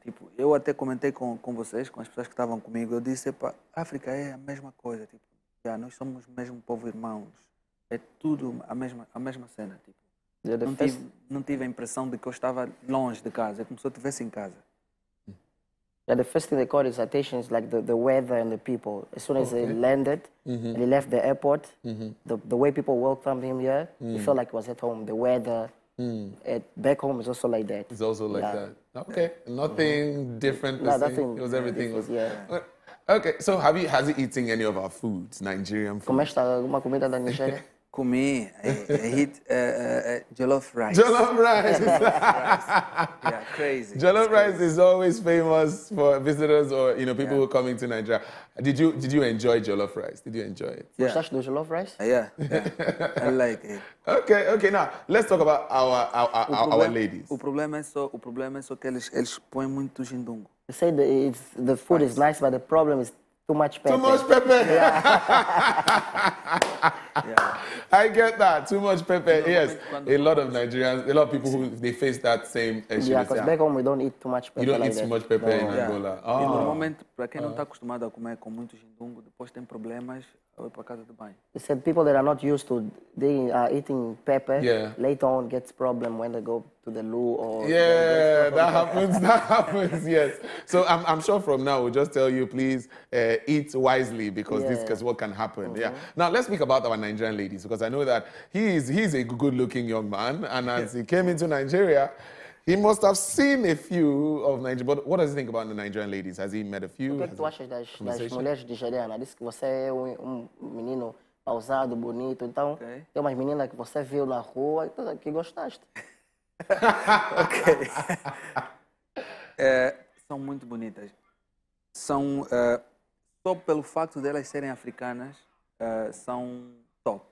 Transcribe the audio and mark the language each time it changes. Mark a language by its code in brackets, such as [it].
[pt] Tipo, eu até comentei com vocês, com as pessoas que estavam comigo, eu disse, a África é a mesma coisa. Tipo, yeah, nós somos o mesmo povo irmãos. É tudo a mesma cena. Tipo. Não tive a impressão de que eu estava longe de casa. É como se eu estivesse em casa. [en] Yeah, the first thing that caught his attention is like the weather and the people. As soon as he landed and he left the airport, the way people welcomed him here, he felt like he was at home. The weather back home is also like that. It's also like that. Okay, yeah. Nothing different. No, nothing. It was everything. Was, yeah. Okay, so has he eaten any of our foods, Nigerian food? [pt] Comeste alguma comida da Nigéria? Comi. [en] I eat jollof rice. Jollof rice. Yeah, crazy. Jollof rice is always famous for visitors or you know people who are coming to Nigeria. Did you enjoy jollof rice? Did you enjoy it? Yeah. Touched the jollof rice? Yeah. I like it. Okay. Now let's talk about our ladies. [pt] O problema é só que eles põem muito jindungo. [en] They say the food is nice, but the problem is too much pepper. Too much pepper. Yeah. Yeah. I get that. Too much pepper. Yes. A lot of Nigerians, a lot of people who they face that same issue. Yeah, because back home we don't eat too much pepper. You don't like eat that. Too much pepper in Angola. Yeah. Oh. [pt] E normalmente, para quem não está acostumado a comer com muito jindungo, depois tem problemas, vai para casa de banho. [en] They said people that are not used to eating pepper, later on gets problem when they go to the loo or. Yeah, that happens. That happens. Yes. So I'm sure from now we'll just tell you please eat wisely because this is what can happen. Mm-hmm. Yeah. Now let's speak about our Nigerian ladies because I know that he's a good-looking young man and as he came into Nigeria, he must have seen a few of Nigeria. But what does he think about the Nigerian ladies? Has he met a few? [pt] O que é que tu achas das mulheres nigerianas? Disse que você é um menino pausado, bonito. Então, tem umas meninas que você viu na rua e tudo que gostaste. São muito bonitas. São só pelo facto de elas serem africanas, são top.